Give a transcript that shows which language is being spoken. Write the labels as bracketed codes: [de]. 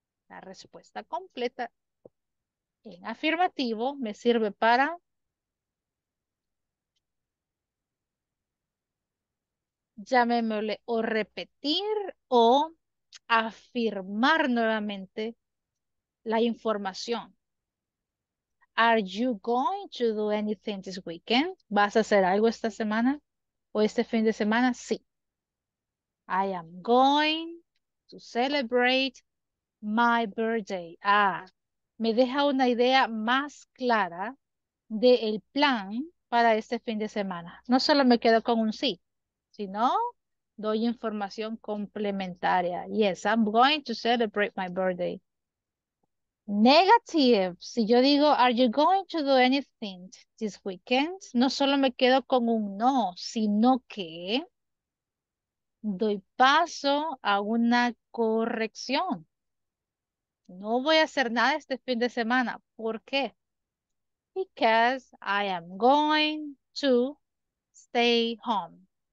[es] La respuesta completa en afirmativo me sirve para Llamémosle o repetir o afirmar nuevamente la información. [en] Are you going to do anything this weekend? [es] ¿Vas a hacer algo esta semana o este fin de semana? Sí. [en] I am going to celebrate my birthday. [es] Ah, me deja una idea más clara del plan para este fin de semana. No solo me quedo con un sí, sino doy información complementaria. [en] Yes, I'm going to celebrate my birthday. Negative. [es] Si yo digo, [en] are you going to do anything this weekend? [es] No solo me quedo con un no, sino que doy paso a una corrección. No voy a hacer nada este fin de semana. ¿Por qué? [en] Because I am going to stay home.